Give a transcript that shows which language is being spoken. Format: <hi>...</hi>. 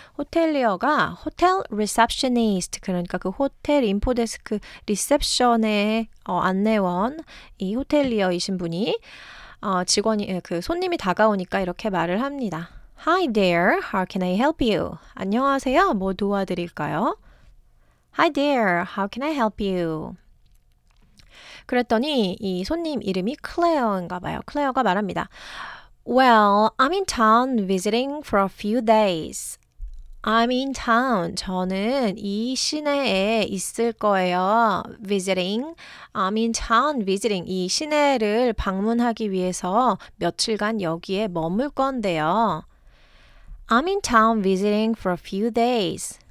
<ko>호텔리어가 호텔 리셉셔니스트 그러니까 그 호텔 인포데스크 리셉션의 안내원 이 호텔리어이신 분이 직원이 그 손님이 다가오니까 이렇게 말을 합니다.</ko> <en>Hi there, how can I help you?</en> <ko>안녕하세요, 뭐 도와드릴까요?</ko> <en>Hi there, how can I help you?</en> <ko>그랬더니 이 손님 이름이 클레어인가 봐요. 클레어가 말합니다.</ko> <en>Well, I'm in town visiting for a few days. I'm in town.</en> <ko>저는 이 시내에 있을 거예요.</ko> <en>Visiting. I'm in town visiting.</en> <ko>이 시내를 방문하기 위해서 며칠간 여기에 머물 건데요.</ko> <en>I'm in town visiting for a few days.</en>